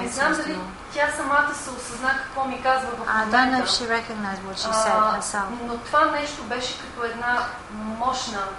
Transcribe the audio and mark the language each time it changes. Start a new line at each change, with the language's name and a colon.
Bulgarian: И не знам дали тя самата се осъзна какво ми казва в момента.
English: I don't know if she recognized what she said herself.
Bulgarian: Но това нещо беше като една мощна.